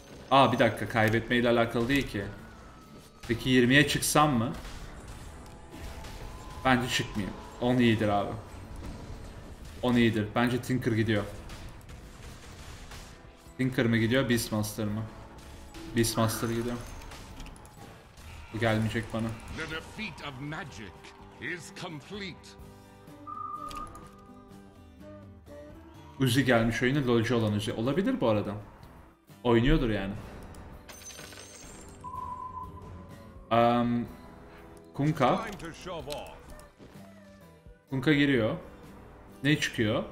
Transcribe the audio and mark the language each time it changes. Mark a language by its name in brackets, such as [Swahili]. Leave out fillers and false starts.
[Turkish] Aa bir dakika, kaybetmeyle alakalı değil ki. Peki 20'ye çıksam mı? Bence çıkmayayım. 10 iyidir abi. 10 iyidir. Bence Tinker gidiyor. Tinker mı gidiyor, Beastmaster mı? Beastmaster gidiyor. Bu gelmeyecek bana. [English] The defeat of magic is complete. [Turkish] Uzi gelmiş oyuna, lolcu olan Uzi. Olabilir bu arada. Oynuyordur yani. Kunkka. Kunkka giriyor. Ne çıkıyor?